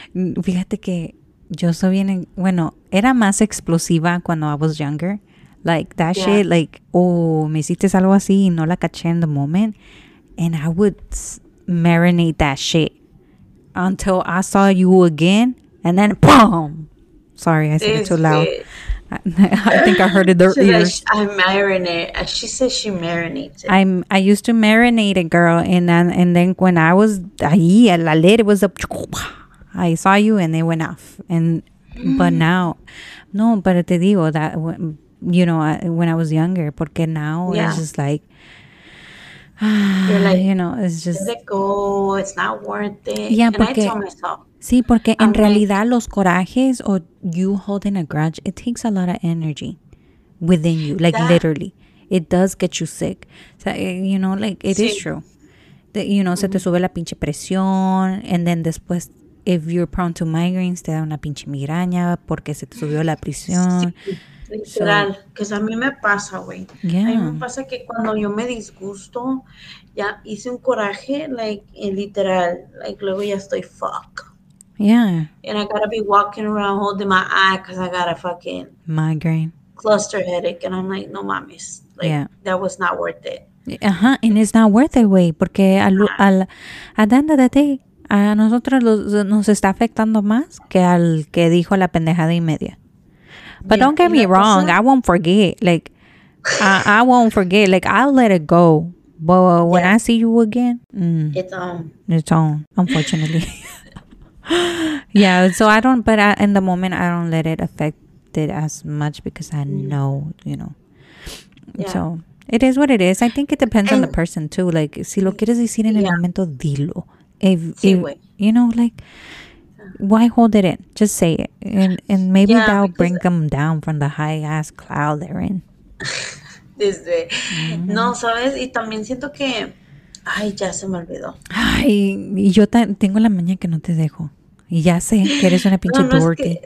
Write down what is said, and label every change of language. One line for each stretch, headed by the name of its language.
Spanish: Fíjate que yo soy bien, bueno, era más explosiva cuando
English: I was younger. Like, that shit, like, oh,
Spanish: me hiciste algo así y no la caché
English: in the moment. And I would marinate that shit until I saw you again. And then, boom. Sorry, I said it too loud. I think I heard it there. She said I marinate. She said she marinated. I used to marinate it, girl. And then when I was
Spanish: ahí, la
English: lid, it was up. I saw you and it went off. And but now, no, but
Spanish: te digo
English: that... You know, when I was younger,
Spanish: porque
English: now it's just like, you know, it's just, let it go, it's not worth it. Yeah, and
Spanish: porque,
English: I told myself,
Spanish: sí, porque en realidad,
English: like,
Spanish: los corajes
English: or you holding a grudge, it takes a lot of energy within you, like, that, literally, it does get you sick. So, you know, like, it is true that, you know, mm-hmm.
Spanish: se te sube la pinche presión,
English: and then
Spanish: después.
English: If you're prone to migraines,
Spanish: te da una pinche migraña porque se te subió la presión. Sí, literal. Que a mí me pasa, güey.
English: Yeah.
Spanish: A mí me pasa que cuando yo me disgusto, ya hice un coraje, like, literal, like, luego ya estoy
English: fuck. Yeah. And I gotta be walking around holding my eye because I got a fucking migraine. Cluster headache. And I'm like,
Spanish: no mames.
English: Like, that was not worth it. Uh-huh. And it's not worth it,
Spanish: güey. Porque
English: at the end of the day,
Spanish: a nosotros nos está afectando más que al que dijo la pendejada y media.
English: But don't get me wrong, I won't forget. Like, I won't forget. Like, I'll let it go. But when I see you again, it's on. Unfortunately. So I don't. But in the moment, I don't let it affect it as much because I know, you know. Yeah. So it is what it is. I think it depends on the person too. Like,
Spanish: si lo quieres decir en el momento, dilo.
English: If you know, like, why hold it in? Just say it, and maybe that'll bring them down from the high ass cloud they're in.
Spanish: Desde. Mm-hmm. No, sabes, y también siento que, ay, ya se me olvidó. Ay, y yo tengo la maña que no te dejo, y ya sé que eres una pinche
English: dirty.